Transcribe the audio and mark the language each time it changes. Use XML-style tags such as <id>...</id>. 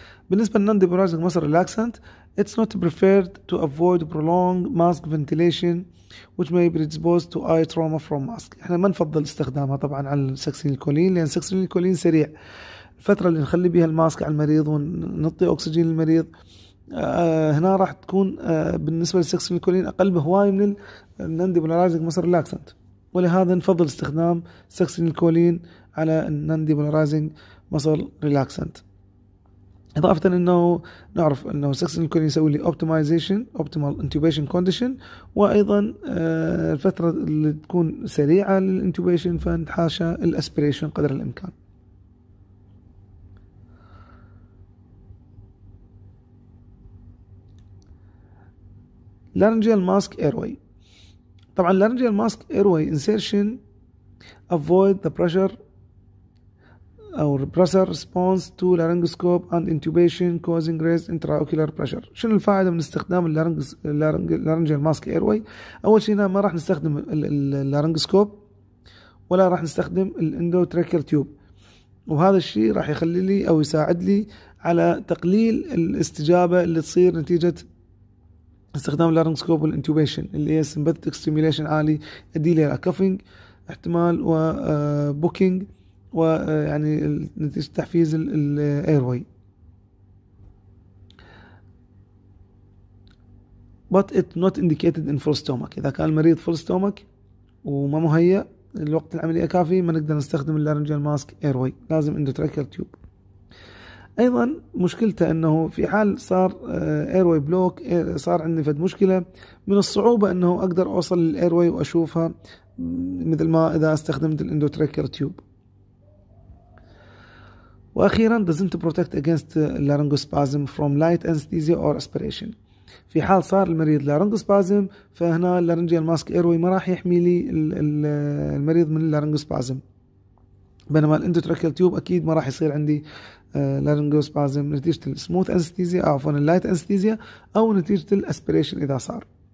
<ar>بالنسبة للنانديبولارايزنج مصر ريلاكسنت،</ar> <en>it's not preferred to avoid prolonged mask ventilation which may predispose to eye trauma from mask.</en> <ar>احنا ما نفضل استخدامها طبعا على السكسينيل كولين، لان السكسينيل كولين سريع، الفتره اللي نخلي بها الماسك على المريض ونعطي اكسجين للمريض هنا راح تكون بالنسبه للسكسينيل كولين اقل بهواي من النانديبولارايزنج مصر ريلاكسنت، ولهذا نفضل استخدام السكسينيل كولين على النانديبولارايزنج مصر ريلاكسنت. إضافة أنه نعرف أنه السكسينيل كولين يسوي لي</ar> <en>optimization optimal intubation condition،</en> <ar>وأيضا الفترة اللي تكون سريعة للintubation فنتحاشى الاسبيريشن قدر الإمكان. لارنجيال ماسك إيرواي، طبعا لارنجيال ماسك إيرواي</ar> <en>insertion avoid the pressure أو repressor response to laryngoscope and intubation causing raised intraocular pressure.</en> <ar>شنو الفائدة من استخدام اللارنجيال ماسك إيرواي؟ أول شيء هنا ما راح نستخدم اللارنجوسكوب ولا راح نستخدم الإندوتراكيال تيوب، وهذا الشيء راح يخلي لي أو يساعد لي على تقليل الاستجابة اللي تصير نتيجة استخدام اللارنجوسكوب والإنتوبيشن اللي هي سمباثيك ستيميليشن عالي يؤدي لي إلى كافينج احتمال وبوكينج ويعني نتيجة تحفيز الايرواي.</ar> <en>But it not indicated in full stomach.</en> <ar>إذا كان المريض full stomach وما مهيأ الوقت العملية كافي ما نقدر نستخدم اللارنجيال ماسك ايرواي، لازم endotracheal tube. أيضا مشكلته أنه في حال صار ايرواي بلوك صار عندي فد مشكلة، من الصعوبة أنه أقدر أوصل للايرواي وأشوفها مثل ما إذا استخدمت الإندوتراكير تيوب.</ar> <en>وأخيرا doesn't protect against laryngospasm from light anesthesia or aspiration.</en> <ar>في حال صار المريض لارنجوسبازم فهنا اللارنجيال ماسك ايروي ما راح يحمي لي المريض من اللارنجوسبازم، بينما الاندوتراكيال تيوب اكيد ما راح يصير عندي لارنجوسبازم نتيجه السموث انستيزيا او عفوا اللايت انستيزيا او نتيجه الاسبيريشن اذا صار.</ar>